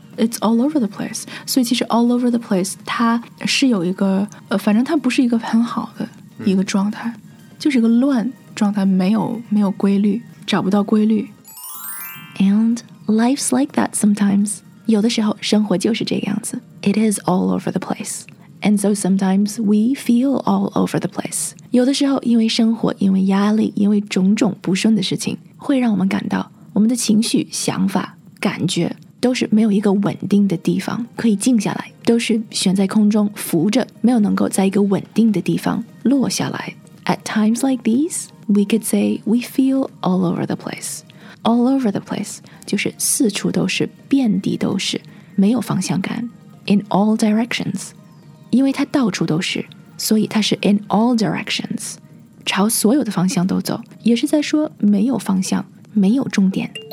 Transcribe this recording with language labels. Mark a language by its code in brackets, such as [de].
[en] It's all over the place. [zh] 所以其实 all over the place 它是有一个、反正它不是一个很好的一个状态、就是一个乱状态，没有规律，找不到规律。 [en] And life's like that sometimes. [zh] 有的时候生活就是这个样子。 [en] It is all over the place. And so sometimes we feel all over the place. [zh] 有的时候因为生活，因为压力，因为种种不顺的事情，会让我们感到我们的情绪、想法、感觉都是没有一个稳定的地方可以静下来，都是悬在空中浮着，没有能够在一个稳定的地方落下来。 [en] At times like these, we could say we feel all over the place. [zh] All over the place 就是四处都是，遍地都是，没有方向感。 [en] In all directions, [zh] 因为它到处都是，所以它是 in all directions, 朝所有的方向都走，也是在说没有方向，没有重点。